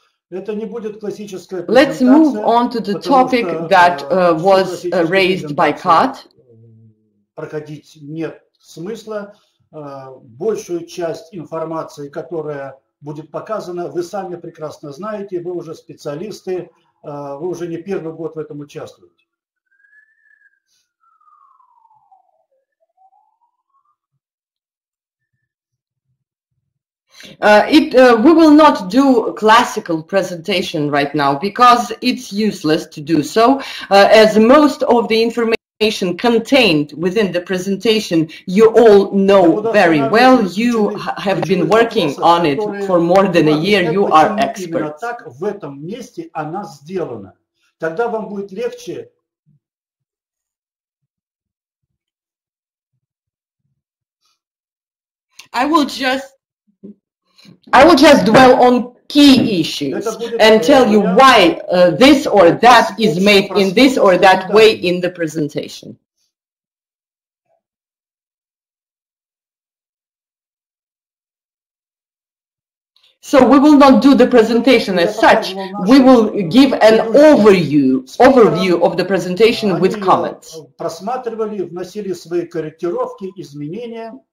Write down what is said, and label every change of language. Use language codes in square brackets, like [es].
[ru] Это не будет классическая презентация. [en] Let's move on to the topic that was raised by Kat. [ru] Проходить нет смысла. Большую часть информации, которая будет показана, вы сами прекрасно знаете, вы уже специалисты, вы уже не первый год в этом участвуете. [en] We will not do classical presentation right now because it's useless to do so, as most of the information contained within the presentation you all know very well. You have been working on it for more than a year. You are experts. [ru] Именно так в этом месте она сделана. Тогда вам будет легче. [en] I will just dwell on key issues and tell you why this or that is made in this or that way in the presentation. So we will not do the presentation as such. We will give an overview of the presentation with comments. [ru] Просматривали, вносили свои корректировки, изменения.